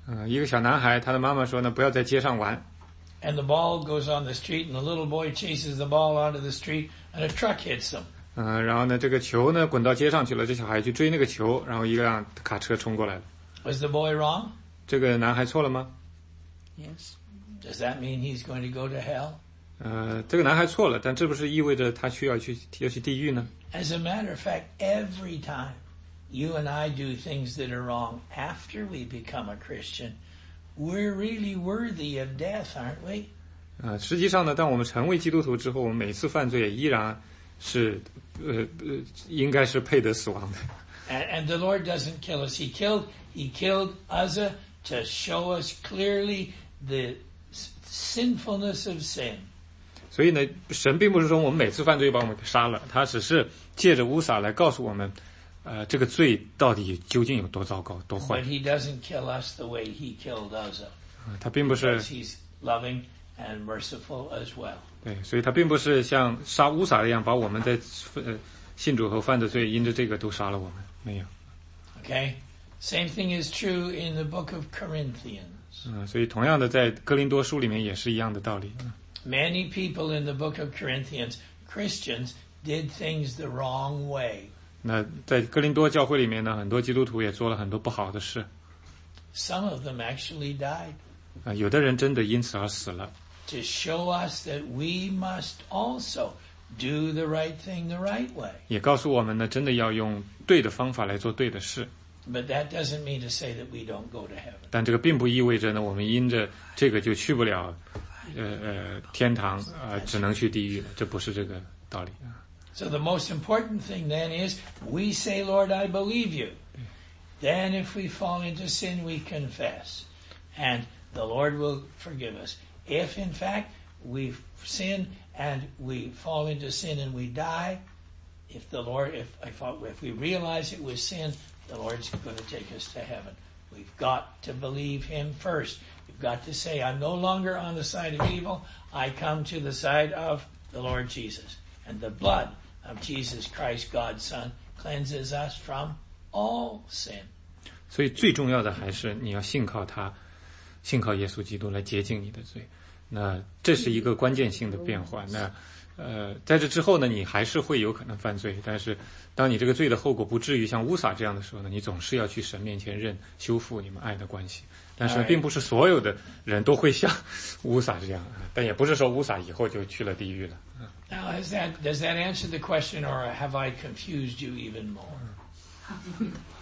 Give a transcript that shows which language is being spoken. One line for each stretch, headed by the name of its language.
Chinese: 一个小男孩，他的妈妈说呢，不要在街上玩。
English: And the ball goes on the street, and the little boy chases the ball onto the street, and a truck hits him.
Chinese: 然后呢，这个球呢滚到街上去了，这小孩去追那个球，然后一辆卡车冲过来了。
English: Was the boy wrong?
Chinese: 这个男孩错了吗
English: ？Yes. Does that mean he's going to go to hell?
Chinese: 这个男孩错了，但这不是意味着他需要去地狱呢？
English: As a matter of fact, every time you and I do things that are wrong after we become a Christian, we're really worthy of death, aren't we?
Chinese: 实际上呢，当我们成为基督徒之后，我们每次犯罪也依然是应该是配得死亡的。
English: And the Lord doesn't kill us. He killed Uzzah to show us clearly the sinfulness of sin.
Chinese: 所以呢，神并不是说我们每次犯罪把我们杀了，他只是借着乌撒来告诉我们，这个罪到底究竟有多糟糕、多坏。
English: But He doesn't kill us the way He killed Uzzah.
Chinese: 他并不是。
English: Because He's loving and merciful as well.
Chinese: 对，所以他并不是像杀乌撒一样把我们的信主和犯的罪因着这个都杀了我们，没有。
English: Okay, same thing is true in the book of Corinthians.
Chinese: 所以同样的，在哥林多书里面也是一样的道理。
English: Many people in the book of Corinthians, Christians, did things the wrong way.
Chinese: 那在哥林多教会里面呢，很多基督徒也做了很多不好的事。
English: Some of them actually died.
Chinese: 有的人真的因此而死了。
English: To show us that we must also do the right thing the right way.
Chinese: 也告诉我们呢，真的要用对的方法来做对的事。
English: But that doesn't mean to say that we don't go to heaven.
Chinese: 但这个并不意味着呢，我们因着这个就去不了，天堂啊、只能去地狱了。这不是这个道理。
English: So the most important thing then is we say, Lord, I believe you. Then if we fall into sin, we confess, and the Lord will forgive us. If in fact we sin and we fall into sin and we die, if we realize it was sin, the Lord's going to take us to heaven. We've got to believe Him first. We've got to say, I'm no longer on the side of evil. I come to the side of the Lord Jesus. And the blood of Jesus Christ, God's Son, cleanses us from all sin.
Chinese: 所以最重要的还是你要信靠他，信靠耶稣基督来洁净你的罪。那这是一个关键性的变化。那在这之后呢，你还是会有可能犯罪，但是当你这个罪的后果不至于像乌撒这样的时候呢，你总是要去神面前认修复你们爱的关系。但是并不是所有的人都会像乌撒这样，但也不是说乌撒以后就去了地狱了。
English: Now, does that answer the question, or have I confused you even more?